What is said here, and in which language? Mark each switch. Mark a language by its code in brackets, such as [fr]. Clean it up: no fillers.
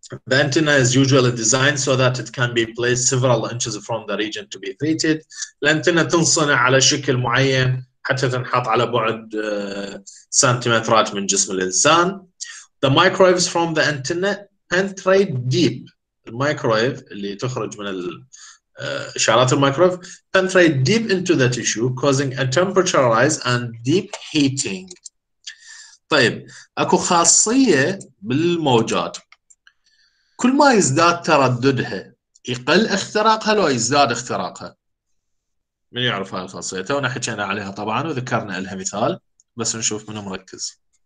[en] The antenna is usually designed so that it can be placed several inches from the region to be treated. [ar] الانتنة تنصنع على شكل معين حتى تنحط على بعد سنتيمترات من جسم الانسان. [en] The microwaves from the antenna penetrate deep. [ar] الميكرويف اللي تخرج من ال إشارات الميكرويف [en] penetrate deep into the tissue causing a temperature rise and deep heating. [ar] طيب اكو خاصية بالموجات، كل ما يزداد ترددها يقل اختراقها لو يزداد اختراقها. من يعرف هاي الخاصية؟ تونا حكينا عليها طبعا وذكرنا لها مثال، بس نشوف منو مركز.